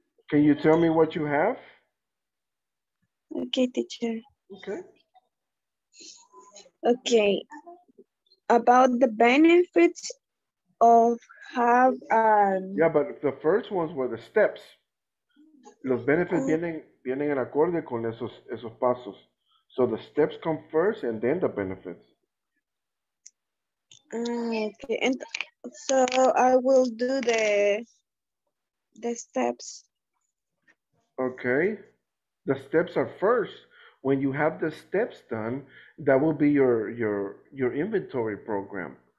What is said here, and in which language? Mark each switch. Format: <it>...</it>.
<en>Can you tell me what you have? Okay, teacher. Okay. Okay. About the benefits of have Yeah, but the first ones were the steps.</en> <es>Los benefits vienen en acorde con esos pasos.</es> <en>So the steps come first and then the benefits. Okay, and so I will do the steps. Okay, the steps are first. When you have the steps done, that will be your inventory program.</en>